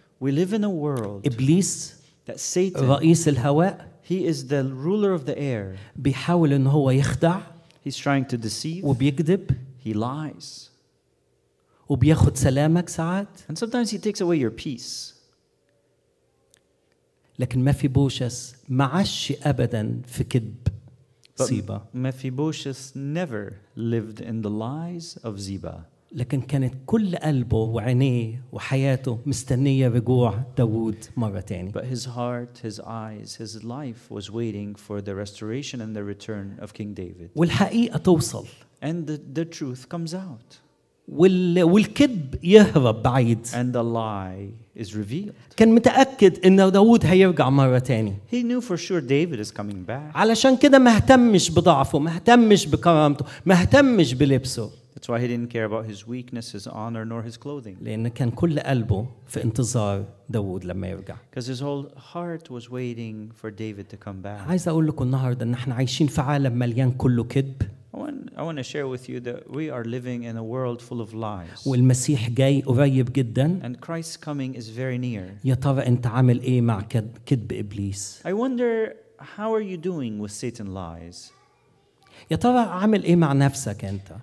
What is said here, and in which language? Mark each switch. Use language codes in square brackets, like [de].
[en] We live in a world. [ar] إبليس. [en] That Satan. [ar] رئيس الهواء. [en] He is the ruler of the air. [ar] بيحاول إن هو يخدع. [en] He's trying to deceive. [ar] وبيكذب. [en] He lies. [ar] وبياخد سلامك ساعات. [en] And sometimes he takes away your peace. [ar] لكن Mephibosheth ما عاش أبدا في كذب صيبة. [en] Mephibosheth never lived in the lies of Ziba. [ar] لكن كانت كل قلبه وعينيه وحياته مستنية رجوع داود مرة تاني. [en] But his heart, his eyes, his life was waiting for the restoration and the return of King David. [ar] والحقيقة توصل. [en] And the truth comes out. [ar] والكذب يهرب بعيد. [en] And the lie is revealed. [ar] كان متأكد إن داود هيرجع مرة تاني. [en] He knew for sure David is coming back. [ar] علشان كده ما اهتمش بضعفه، ما اهتمش بكرامته، ما اهتمش بلبسه. [en] That's why he didn't care about his weakness, his honor, nor his clothing. [ar] لأن كان كل قلبه في انتظار داود لما يرجع. [en] Because his whole heart was waiting for David to come back. [ar] عايز أقول لكم النهاردة إن إحنا عايشين في عالم مليان كله كذب. [en] I want to share with you that we are living in a world full of lies. [ar] والمسيح جاي قريب جدا. [en] And Christ's coming is very near. [ar] يا ترى انت عامل ايه مع كذب ابليس؟ [en] I wonder how are you doing with Satan's lies. [ar] يا ترى عامل ايه مع نفسك انت؟